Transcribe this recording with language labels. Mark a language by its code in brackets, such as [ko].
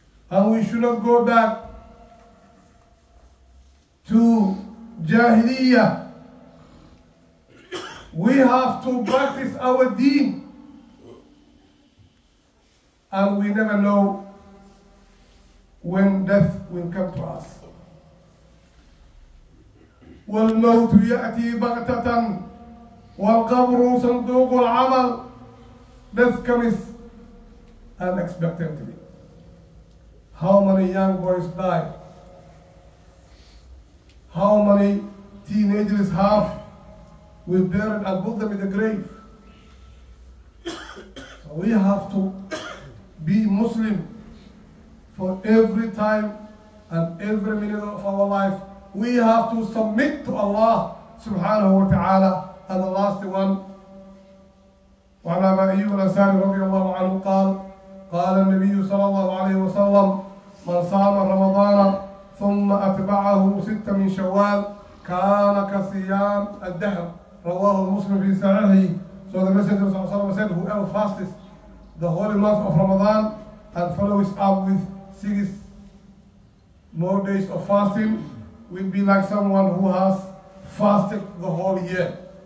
[en] And we should not go back to Jahiliyyah. We have to practice our deen. And we never know when death will come to us. [ar] والموت يأتي بغتة والقبر صندوق العمل. [en] Death comes unexpectedly. How many young boys die? How many teenagers have? We buried and put them in the grave. So we have to be Muslim for every time and every minute of our life. We have to submit to Allah subhanahu wa ta'ala. And the last one, [ar] وعلى ما أيها الأنسان رضي الله عنه قال قال النبي صلى الله عليه وسلم: من صام رمضان ثم أتبعه ستة من شوال كان كصيام الدهر. رواه مسلم في صحيحه. [en] So the Messenger [ar] صلى الله عليه وسلم [en] said, whoever fasts the holy month of Ramadan and follows up with 6 more days of fasting will be like someone who has fasted the whole year.